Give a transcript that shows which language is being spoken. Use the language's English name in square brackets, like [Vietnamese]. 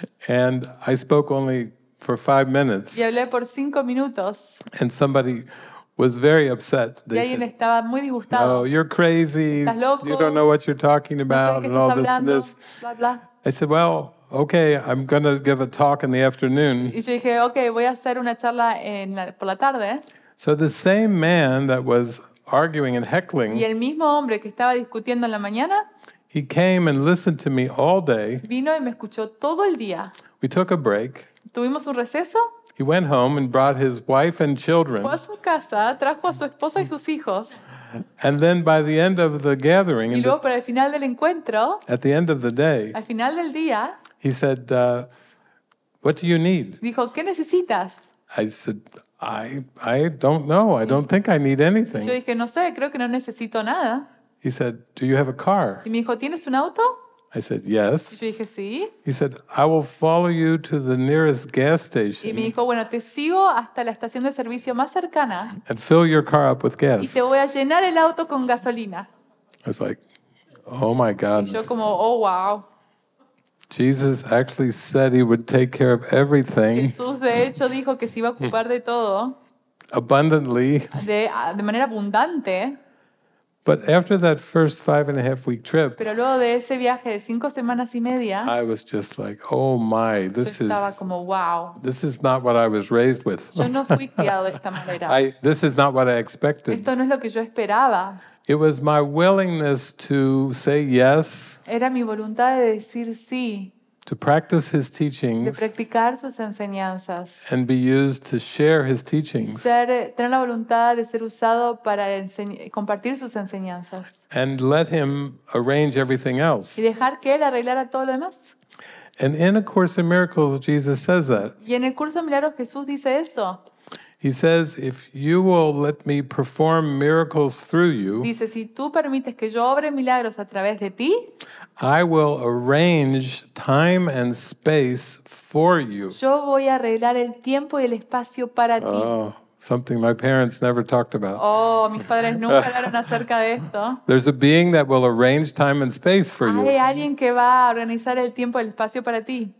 [English] And I spoke only for 5 minutes. [Spanish] Y hablé por 5 minutos. [English] And somebody was very upset. [Spanish] Y alguien estaba muy disgustado. [English] Oh, you're crazy. [Spanish] Estás loco. [English] You don't know what you're talking about. [Spanish] No sé qué estás hablando. [English] And all this and this. I said, well, okay, I'm going to give a talk in the afternoon. [Spanish] Y yo dije, okay, voy a hacer una charla en la, por la tarde. [English] So the same man that was arguing and heckling, [Spanish] y el mismo hombre que estaba discutiendo en la mañana, [English] he came and listened to me all day. [Spanish] Vino y me escuchó todo el día. [English] We took a break. [Spanish] Tuvimos un receso. [English] He went home and brought his wife and children. [Spanish] Fue a su casa, trajo a su esposa y sus hijos. [English] And then by the end of the gathering, [Spanish] y luego para el final del encuentro, [English] at the end of the day, [Spanish] al final del día, [English] he said, what do you need? [Spanish] Dijo, ¿qué necesitas? [English] I said, I don't know. I don't think I need anything. [Spanish] Y yo dije, no sé, creo que no necesito nada. [English] He said, do you have a car? [Spanish] Y me dijo, ¿tienes un auto? [English] I said, yes. [Spanish] Y yo dije, sí. [English] He said, I will follow you to the nearest gas station. [Spanish] Y me dijo, bueno, te sigo hasta la estación de servicio más cercana. [English] And fill your car up with gas. [Spanish] Y te voy a llenar el auto con gasolina. [English] I was like, oh my God. [Spanish] Y yo como, oh wow. [English] Jesus actually said he would take care of everything. [Spanish] Jesús de hecho dijo que se iba a ocupar de todo. [English] Abundantly. [Spanish] De manera abundante. [English] But after that first 5.5 week trip. [Spanish] Pero luego de ese viaje de 5 semanas y media. [English] I was just like, oh my, this is. [Spanish] Yo estaba como, wow. [English] This is not what I was raised with. [Spanish] Yo no fui criado de esta manera. [English] This is not what I expected. [Spanish] Esto no es lo que yo esperaba. [English] It was my willingness to say yes. [Spanish] Era mi voluntad de decir sí. [English] To practice his teachings. [Spanish] De practicar sus enseñanzas. [English] And be used to share his teachings. [Spanish] Tener la voluntad de ser usado para compartir sus enseñanzas. [English] And let him arrange everything else. [Spanish] Y dejar que él arreglara todo lo demás. [English] And in A Course in Miracles, Jesus says that. [Spanish] Y en el curso de milagros Jesús dice eso. [English] He says, if you will let me perform miracles through you, [Spanish] dice, si tú permites que yo obre milagros a través de ti, [English] I will arrange time and space for you. [Spanish] Yo voy a arreglar el tiempo y el espacio para ti. [English] Oh, something my parents never talked about. [Spanish] Oh, mis padres nunca hablaron acerca de esto. [English] There's a being that will arrange time and space for you. [Spanish] Hay alguien que va a organizar el tiempo y el espacio para ti.